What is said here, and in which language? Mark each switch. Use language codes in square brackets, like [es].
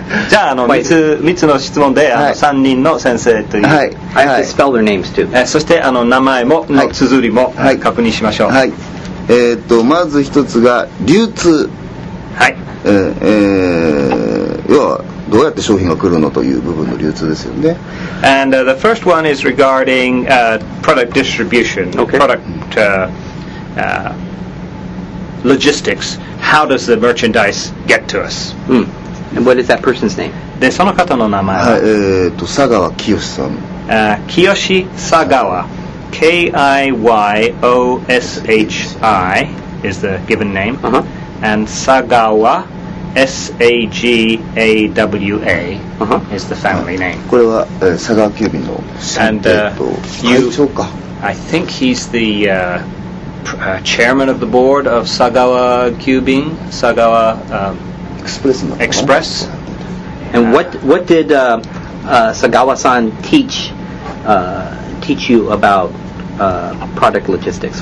[ja] じゃあ、3つの質問で、はい、3人の先生という。 [en] はい。I have to spell their names too. [ja] そして、名前も、はい、綴りも、はい、確認しましょう。はい。まず一つが、流通。はい。要は、どうやって商品が来るのという部分の流通ですよね。 [en] And the first one is regarding product distribution. Okay. Product... logistics. How does the merchandise get to us? And what is that person's name? [ja] で、その方の名前は、佐川清さん。 [en] 清佐川。K-I-Y-O-S-H-I is the given name. Uh-huh. And 佐川 S-A-G-A-W-A uh-huh. is the family name. [ja] これは、佐川急便の会長か。 [en] I think he's the... chairman of the board of Sagawa Kyubin, Sagawa Express. And what did Sagawa-san teach you about product logistics?